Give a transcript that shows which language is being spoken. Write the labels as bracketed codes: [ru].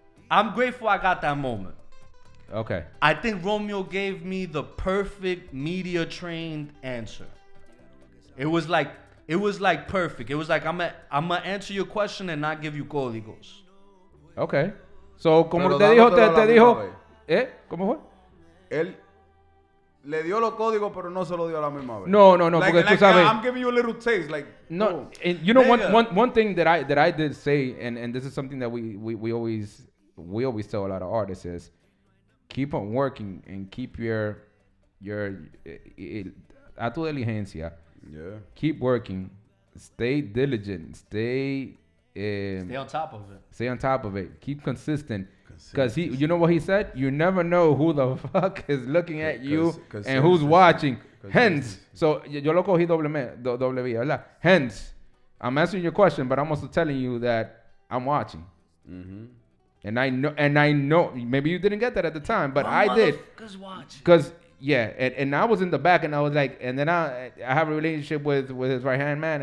[en] I'm grateful I got that moment. Okay. I think Romeo gave me the perfect media trained answer. It was like perfect. It was like I'm gonna answer your question and not give you códigos. [es] Okay. So como te dijo, te dijo. ¿Eh? ¿Cómo fue? Él le dio los códigos, pero no se lo dio a la misma vez. No, [en] like, [es] porque [en] like, [es] tú sabes. [en] I'm giving you a little taste, like. No, and you know one thing that I did say, and this is something that we always tell a lot of artists is, keep on working and keep your [es] a tu diligencia. [en] Yeah. Keep working. Stay diligent. Stay on top of it. Keep consistent. Because you know what he said? You never know who the fuck is looking at you and who's watching. Hence, so [es] yo lo cogí doble vía, ¿verdad? [en] Hence, I'm answering your question, but I'm also telling you that I'm watching. Mm-hmm. And I know, maybe you didn't get that at the time, but I did. Because I was in the back and I was like, and then I have a relationship with his right-hand man.